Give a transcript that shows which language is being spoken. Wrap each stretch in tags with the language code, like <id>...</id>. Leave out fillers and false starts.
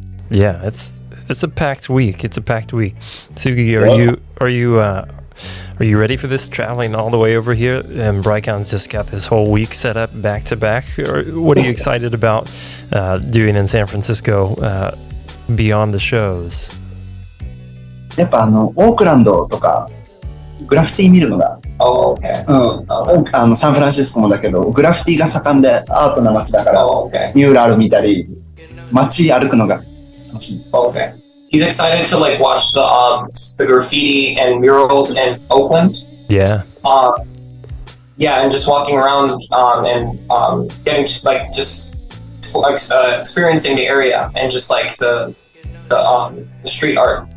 <en>Yeah, it's a packed week. It's a packed week. Sugi, are you ready for this, traveling all the way over here? And Brycon's just got this whole week set up back to back. What are you excited about doing in San Francisco beyond the shows?</en> <ja>やっぱオークランドとかグラフィティ見るのが、</ja> <en>oh, okay.</en> <ja>うん、あのサンフランシスコもだけどグラフィティが盛んでアートな街だから、</ja> <en>oh, okay.</en> <ja>ミューラル見たり街歩くのが楽しみ。</ja> <en>Okay. He's excited to like watch the graffiti and murals in Oakland. Yeah. Yeah, and just walking around and getting to, like just like experiencing the area and just like the street art.</en>